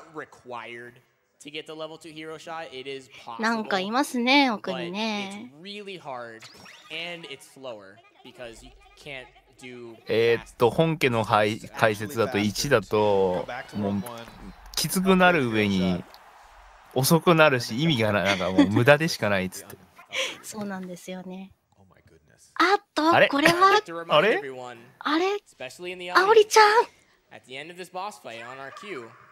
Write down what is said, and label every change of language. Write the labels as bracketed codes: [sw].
[en] To get the level 2 hero shot, it is possible. [ja] なんかいますね、奥にね。 [en] Really、hard, and it's slower because you can't do [ja] 本家の解説だと1だと、もうきつくなる上に遅くなるし、意味がない、なんかもう無駄でしかないっつって。そうなんですよね。あっと、これはあれあれあおりちゃん。